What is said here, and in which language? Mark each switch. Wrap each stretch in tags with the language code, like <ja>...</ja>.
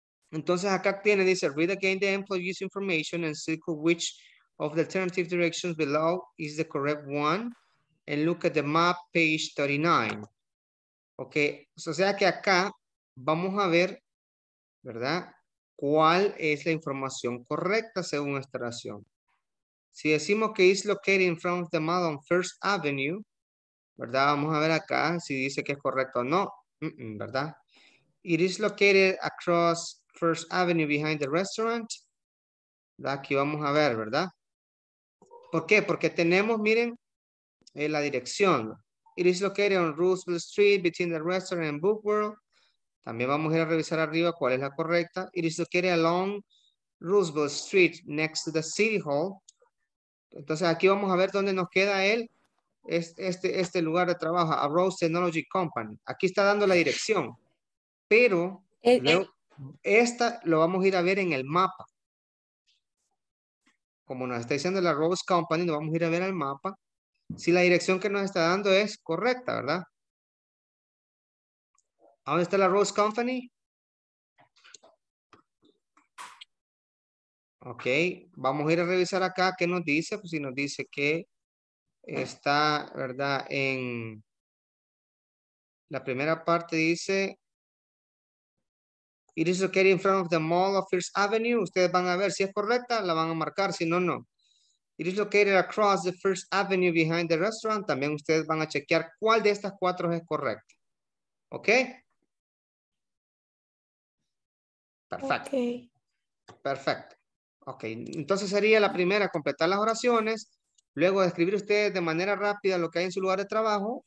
<es>Entonces acá tiene, dice,</es> <en>read again the employee's information and see which of the alternative directions below is the correct one and look at the map page 39.</en> <es>Ok, o sea que acá vamos a ver, ¿verdad? ¿Cuál es la información correcta según esta oración? Si decimos que</es> <en>is located in front of the mall on First Avenue,</en> <es>¿verdad? Vamos a ver acá si dice que es correcto o no, ¿verdad?</es> <en>It is located across First Avenue behind the restaurant.</en> <es>Aquí vamos a ver, ¿verdad? ¿Por qué? Porque tenemos, miren, la dirección.</es> <en>It is located on Roosevelt Street between the restaurant and Book World.</en> <es>También vamos a ir a revisar arriba cuál es la correcta.</es> <en>It is located along Roosevelt Street next to the City Hall.</en> <es>Entonces aquí vamos a ver dónde nos queda él. Este lugar de trabajo, Arrows Technology Company. Aquí está dando la dirección. Pero esta lo vamos a ir a ver en el mapa. Como nos está diciendo la Rose Company, nos vamos a ir a ver al mapa. Si la dirección que nos está dando es correcta, ¿verdad? ¿A dónde está la Rose Company? Ok, vamos a ir a revisar acá qué nos dice. Pues si nos dice que está, ¿verdad? En la primera parte dice,</es> <en>it is located in front of the mall of First Avenue.</en> <es>Ustedes van a ver si es correcta, la van a marcar. Si no, no.</es> <en>It is located across the First Avenue behind the restaurant.</en> <es>También ustedes van a chequear cuál de estas cuatro es correcta. ¿Ok? Perfecto. Okay. Perfecto. Ok. Entonces sería la primera, completar las oraciones. Luego describir ustedes de manera rápida lo que hay en su lugar de trabajo.</es>